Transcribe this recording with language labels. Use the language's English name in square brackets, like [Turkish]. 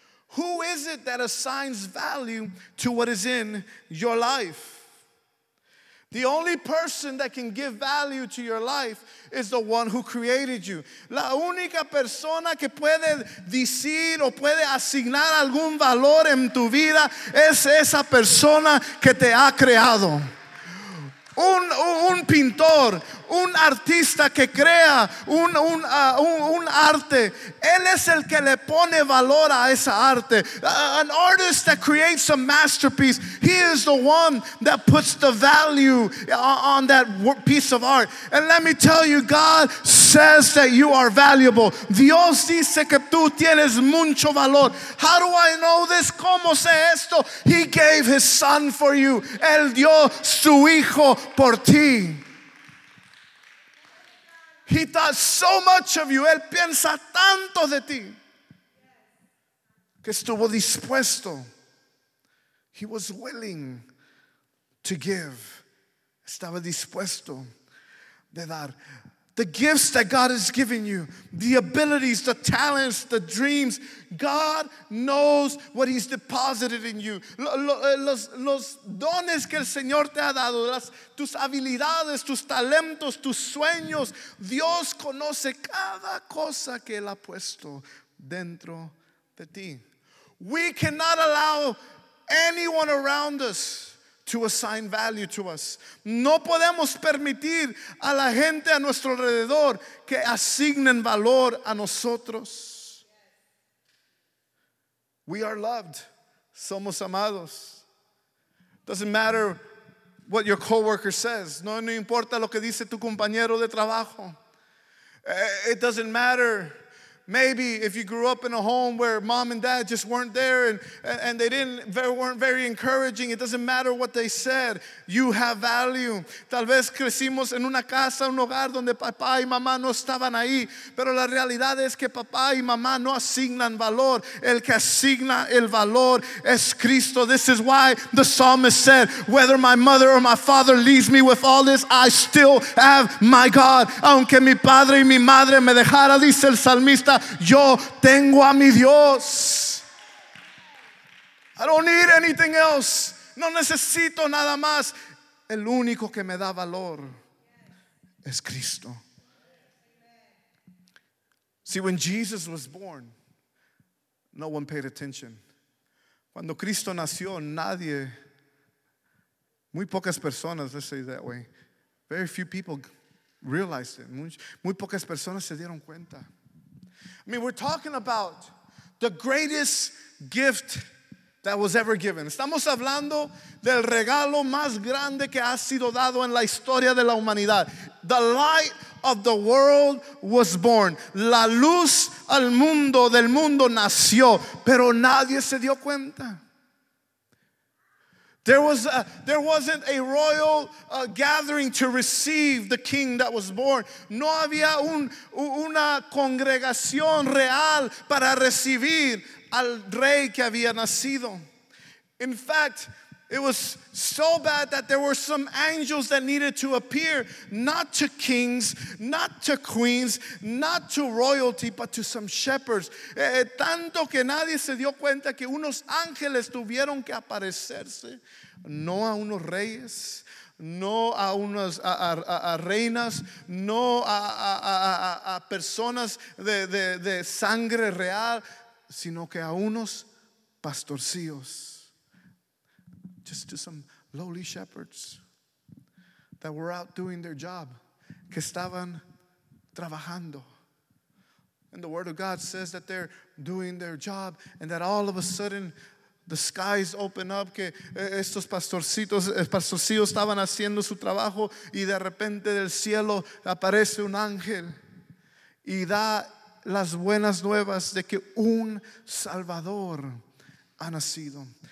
[English] Who is it that assigns value to what is in your life? The only person that can give value to your life is the one who created you. [Spanish] La única persona que puede decir o puede asignar algún valor en tu vida es esa persona que te ha creado. Un pintor, un artista que crea un arte, él es el que le pone valor a esa arte. [English] An artist that creates a masterpiece, he is the one that puts the value on that piece of art. And let me tell you, God says that you are valuable. [Spanish] Dios dice que tú tienes mucho valor. [English] How do I know this? [Spanish] ¿Cómo sé esto? [English] He gave his son for you. [Spanish] Él dio su hijo por ti. [English] He thought so much of you. [Spanish] Él piensa tanto de ti. Que estuvo dispuesto. [English] He was willing to give. [Spanish] Estaba dispuesto de dar. [English] The gifts that God has given you, the abilities, the talents, the dreams, God knows what He's deposited in you. [Spanish] Los dones que el Señor te ha dado, tus habilidades, tus talentos, tus sueños, Dios conoce cada cosa que Él ha puesto dentro de ti. [English] We cannot allow anyone around us to assign value to us. [Spanish] No podemos permitir a la gente a nuestro alrededor que asignen valor a nosotros. [English] We are loved. [Spanish] Somos amados. [English] Doesn't matter what your coworker says. [Spanish] No importa lo que dice tu compañero de trabajo. [English] It doesn't matter. Maybe if you grew up in a home where mom and dad just weren't there and they weren't very encouraging, it doesn't matter what they said, you have value. [Spanish] Tal vez crecimos en una casa, un hogar donde papá y mamá no estaban ahí, pero la realidad es que papá y mamá no asignan valor. El que asigna el valor es Cristo. [English] This is why the psalmist said, whether my mother or my father leaves me with all this, I still have my God. [Spanish] Aunque mi padre y mi madre me dejara, dice el salmista, yo tengo a mi Dios. [English] I don't need anything else. [Spanish] No necesito nada más. El único que me da valor es Cristo. [English] See, when Jesus was born, no one paid attention. [Spanish] Cuando Cristo nació, nadie, muy pocas personas, [English] let's say it that way, very few people realized it. [Spanish] Muy pocas personas se dieron cuenta. [English] I mean, we're talking about the greatest gift that was ever given. [Spanish] Estamos hablando del regalo más grande que ha sido dado en la historia de la humanidad. [English] The light of the world was born. [Spanish] La luz al mundo del mundo nació, pero nadie se dio cuenta. [English] There wasn't a royal gathering to receive the king that was born. [Spanish] No había una congregación real para recibir al rey que había nacido. [English] In fact, it was so bad that there were some angels that needed to appear, not to kings, not to queens, not to royalty, but to some shepherds. [Spanish] Tanto que nadie se dio cuenta que unos ángeles tuvieron que aparecerse, no a unos reyes, no a unas a reinas, no a personas de sangre real, sino que a unos pastorcillos. [English] Just to some lowly shepherds that were out doing their job, [Spanish] que estaban trabajando. [English] And the word of God says that they're doing their job and that all of a sudden The skies open up, [Spanish] que estos pastorcitos estaban haciendo su trabajo y de repente del cielo aparece un ángel y da las buenas nuevas de que un Salvador ha nacido.